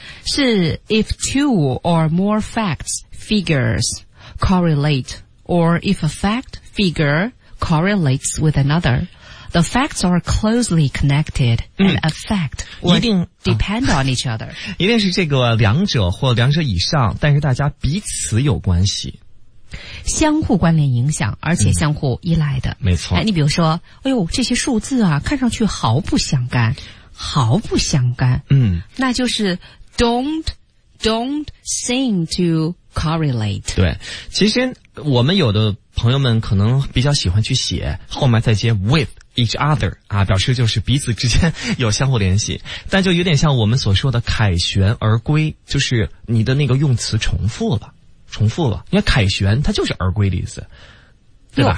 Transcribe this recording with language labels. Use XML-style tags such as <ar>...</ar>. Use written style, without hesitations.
<zh>是</zh> <en>if two or more facts figures correlate， or if a fact figure correlates with another， the facts are closely connected and affect or depend on each other。</en> <zh>一定是这个两者或两者以上，但是大家彼此有关系，相互关联影响，而且相互依赖的。没错。你比如说，哎呦，这些数字啊，看上去毫不相干，毫不相干。那就是</zh> <en>don't seem to correlate。</en> <zh>对，其实我们有的朋友们可能比较喜欢去写后面再接</zh> <en>with each other</en> <zh>啊，表示就是彼此之间有相互联系，但就有点像我们所说的凯旋而归，就是你的那个用词重复了。重复了，因为凯旋它就是而归的意思，对吧？</zh>